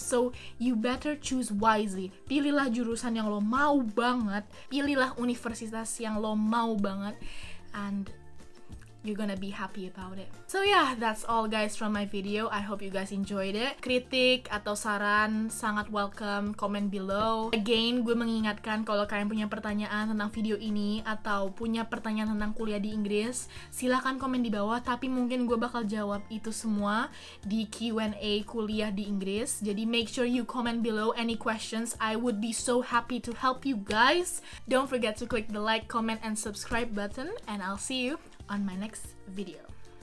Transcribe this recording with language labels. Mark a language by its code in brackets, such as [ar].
[en] So, you better choose wisely. [id] Pilihlah jurusan yang lo mau banget, pilihlah universitas yang lo mau banget, [en] and you're gonna be happy about it. So yeah, that's all guys from my video. I hope you guys enjoyed it. [id] Kritik atau saran sangat welcome, [en] comment below. [id] Again, gue mengingatkan kalau kalian punya pertanyaan tentang video ini atau punya pertanyaan tentang kuliah di Inggris, silahkan komen di bawah. Tapi mungkin gue bakal jawab itu semua di Q&A kuliah di Inggris. Jadi [en] make sure you comment below any questions. I would be so happy to help you guys. Don't forget to click the like, comment, and subscribe button. And I'll see you on my next video.